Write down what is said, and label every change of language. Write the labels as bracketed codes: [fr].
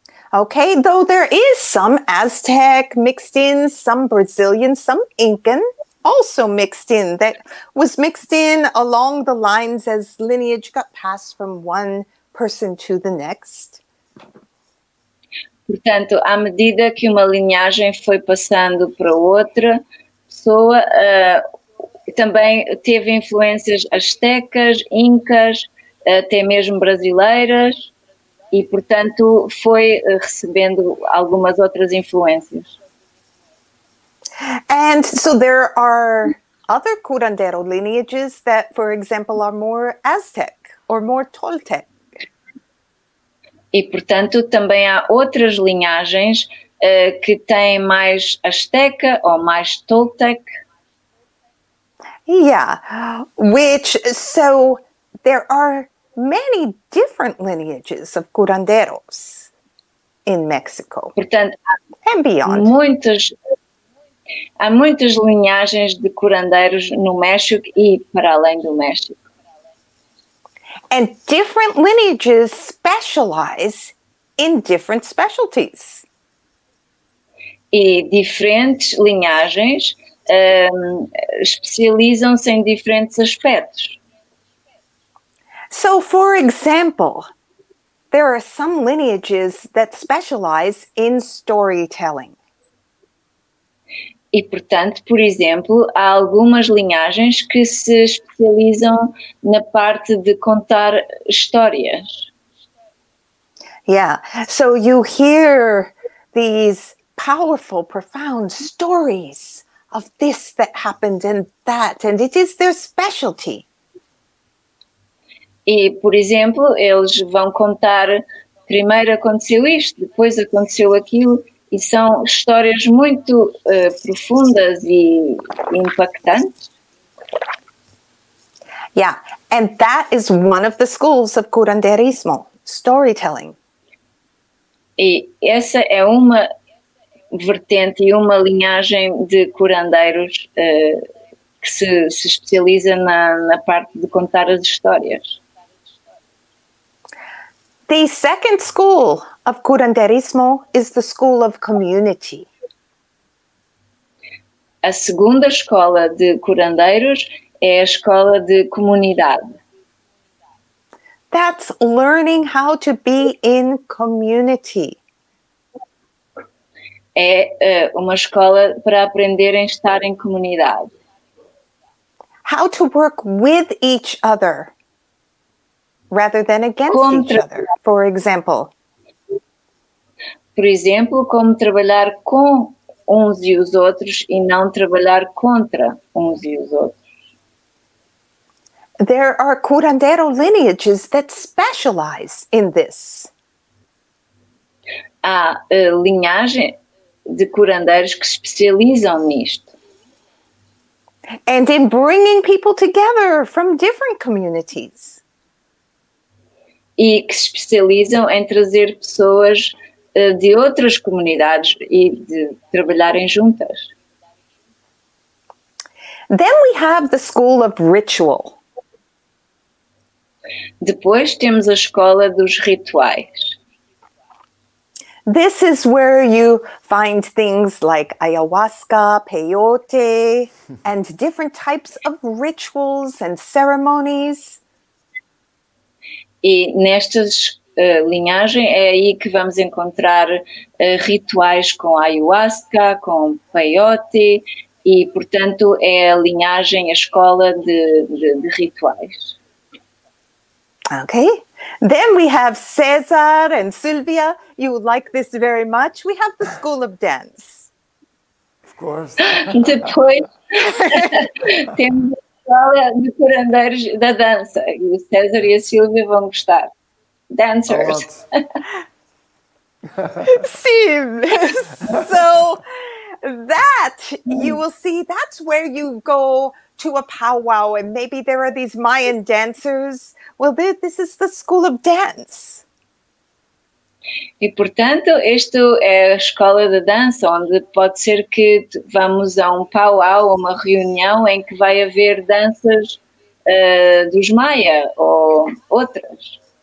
[en] Okay, though there is some Aztec mixed in, some Brazilian, some Incan. Also mixed in, that was mixed in along the lines as lineage got passed from one person to the next. [pt] Portanto, à medida que uma linhagem foi passando para outra pessoa, também teve influências astecas, incas, até mesmo brasileiras, e portanto foi recebendo algumas outras influências. [en] And so there are other curandero lineages that, for example, are more Aztec or more Toltec. [pt] E, portanto, também há outras linhagens que têm mais Azteca ou mais Toltec. [en] Yeah, which, so there are many different lineages of curanderos in Mexico. [pt] Portanto, [en] and beyond. [pt] Há muitas linhagens de curandeiros no México e para além do México. [en] And different lineages specialize in different specialties. [pt] E diferentes linhagens especializam-se em diferentes aspectos. [en] So, for example, there are some lineages that specialize in storytelling. [pt] E, portanto, por exemplo, há algumas linhagens que se especializam na parte de contar histórias. [en] Yeah, so you hear these powerful, profound stories of this that happened and that, and it is their specialty. [pt] E, por exemplo, eles vão contar, primeiro aconteceu isto, depois aconteceu aquilo, e são histórias muito profundas e impactantes. [en] Yeah, and that is one of the schools of curanderismo, storytelling. [pt] E essa é uma vertente e uma linhagem de curandeiros que se especializa na parte de contar as histórias. [en] The second school of curanderismo is the school of community. [pt] A segunda escola de curandeiros é a escola de comunidade. [en] That's learning how to be in community. [pt] É uma escola para aprender a estar em comunidade. [en] How to work with each other, rather than against each other, for example. [pt] Por exemplo, como trabalhar com uns e os outros e não trabalhar contra uns e os outros. [en] There are curandero lineages that specialize in this. [pt] Há linhagem de curandeiros que se especializam nisto. [en] And in bringing people together from different communities. [pt] E que se especializam em trazer pessoas de outras comunidades e de trabalharem juntas. [en] Then we have the school of ritual. [pt] Depois temos a escola dos rituais. [en] This is where you find things like ayahuasca, peyote, and different types of rituals and ceremonies. [pt] E nestas linhagem é aí que vamos encontrar rituais com ayahuasca, com peyote e, portanto, é a linhagem, a escola de rituais. [en] Ok. Then we have César and Silvia. You like this very much. We have the school of dance. Of course. [pt] Depois temos de curandeiros da dança. E o César e a Silvia vão gostar. [en] Dancers. [pt] Sim. [en] So, that, you will see, that's where you go to a powwow and maybe there are these Mayan dancers. Well, this is the school of dance. [pt] E, portanto, isto é a escola de dança, onde pode ser que vamos a um pow-wow, uma reunião em que vai haver danças dos Maia ou outras.